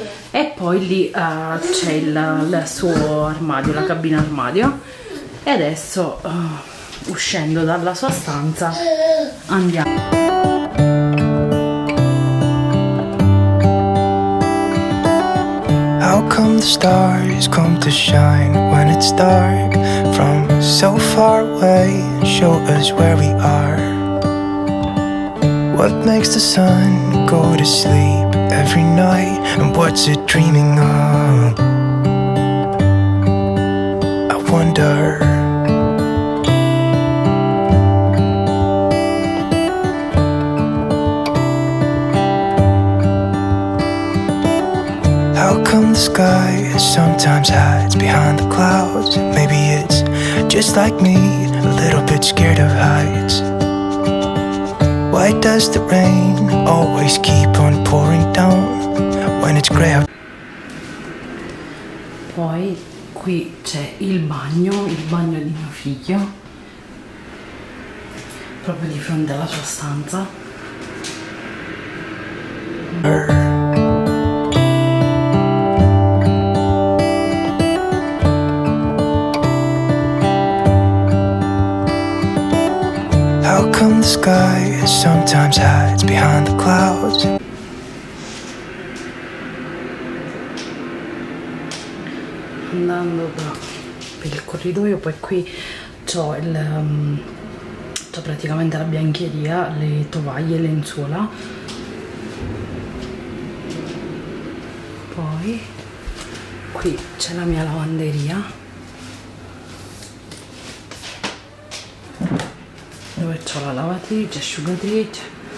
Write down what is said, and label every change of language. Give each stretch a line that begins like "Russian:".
Italian: E poi lì c'è il suo armadio, la cabina armadio. E adesso uscendo dalla sua stanza, andiamo.
English: How come the stars come to shine when it's dark? From so far away, show us where we are. What makes the sun go to sleep every night? And what's it dreaming of? I wonder. Sky sometimes hides behind the clouds. Maybe it's just like me, a little bit scared of heights. Why does the rain always keep on pouring down when it's gray out?
Italian: Poi qui c'è il bagno di mio figlio, proprio di fronte alla sua stanza.
English: Sky sometimes hides behind the clouds.
Italian: Andando per il corridoio, poi qui c'ho il c'ho praticamente la biancheria, le tovaglie, le lenzuola. Poi qui c'è la mia lavanderia, dove c'ho la lavatrice, asciugatrice.